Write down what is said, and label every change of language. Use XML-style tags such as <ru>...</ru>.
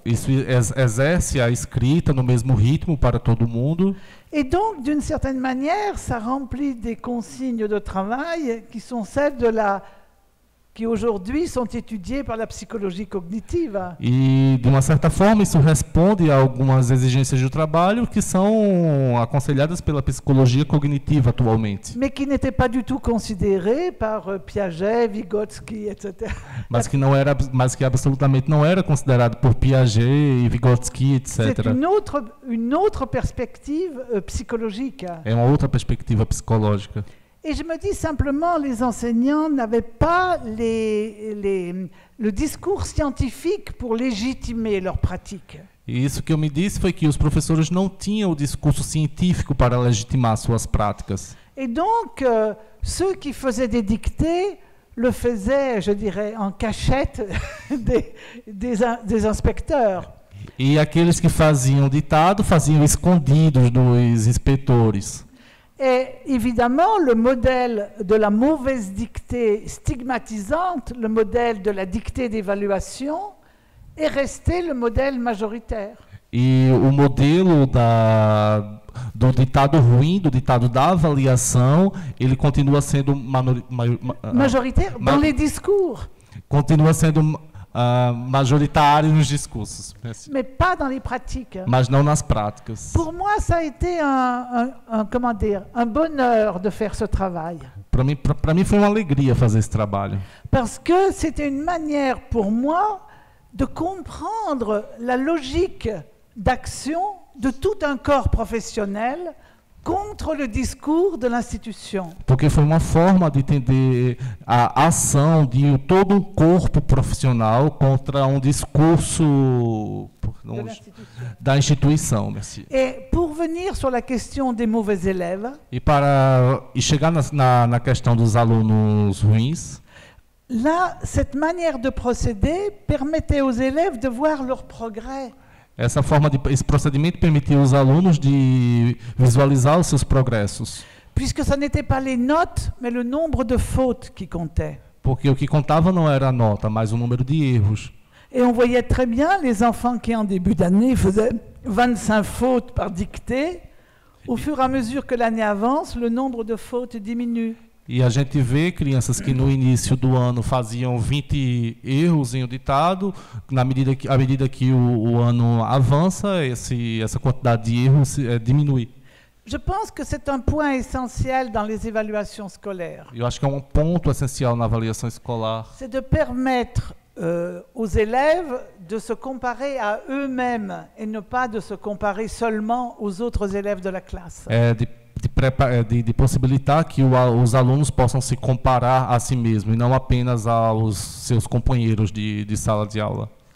<pt>Isso exerce a escrita no mesmo ritmo para todo mundo.</pt> <fr>Et donc, d'une certaine manière, ça remplit des consignes de travail qui sont celles de la qui aujourd'hui sont étudiés par la psychologie cognitive.</fr> <pt>E de uma certa forma isso responde a algumas exigências de trabalho que são aconselhadas pela psicologia cognitiva atualmente.</pt> <fr>Mais qui n'était pas du tout considéré par Piaget, Vygotsky, etc.</fr> <pt>Mas que absolutamente não era considerado por Piaget e Vygotsky, etc.</pt> <fr>C'est une autre perspective psychologique.</fr> <pt>É uma outra perspectiva psicológica.</pt> <fr>Et je me dis simplement, les enseignants n'avaient pas le discours scientifique pour légitimer leur pratique.</fr> <pt>E isso que eu me disse foi que os professores não tinham o discurso científico para legitimar suas práticas.</pt> <fr>Et donc, ceux qui faisaient des dictées le faisaient, je dirais, en cachette des inspecteurs.</fr> <pt>E aqueles que faziam ditado faziam escondidos dos inspetores.</pt> <fr>Et évidemment, le modèle de la mauvaise dictée stigmatisante, le modèle de la dictée d'évaluation, est resté le modèle majoritaire.</fr> <pt>E o modelo do ditado ruim, do ditado da avaliação, ele continua sendo</pt> <fr>majoritaire dans les discours.</fr> <pt>Continua sendo majoritário nos discursos.</pt> <fr>Mais pas dans les pratiques.</fr> <pt>Mas não nas práticas.</pt> <fr>Pour moi, ça a été un bonheur de faire ce travail.</fr> <pt>Para mim foi uma alegria fazer esse trabalho.</pt> <fr>Parce que c'était une manière pour moi de comprendre la logique d'action de tout un corps professionnel contre le discours de l'institution.</fr> <pt>Porque foi uma forma de entender a ação de todo um corpo profissional contra um discurso da instituição.</pt> <fr>Merci. Et pour venir sur la question des mauvais élèves.</fr> <pt>E chegar na questão dos alunos ruins.</pt> <fr>Là, cette manière de procéder permettait aux élèves de voir leur progrès.</fr> <pt>Essa forma de esse procedimento permitiu aos alunos de visualizar os seus progressos.</pt> <fr>Puisque ça n'était pas les notes, mais le nombre de fautes qui comptait.</fr> <pt>Porque o que contava não era a nota, mas o número de erros.</pt> <fr>Et on voyait très bien les enfants qui en début d'année faisaient 25 fautes par dictée. Au fur et à mesure que l'année avance, le nombre de fautes diminue.</fr> <pt>E a gente vê crianças que no início do ano faziam 20 erros em um ditado, à medida que o ano avança, essa quantidade de erros diminui.</pt> <fr>Je pense que c'est un point essentiel dans les évaluations scolaires.</fr> <pt>Eu acho que é um ponto essencial na avaliação escolar.</pt> <fr>C'est de permettre aux élèves de se comparer à eux-mêmes et ne pas de se comparer seulement aux autres élèves de la classe.</fr> <pt>É de de possibilitar que os alunos possam se comparar a si mesmos e não apenas aos seus companheiros de sala de aula.</pt>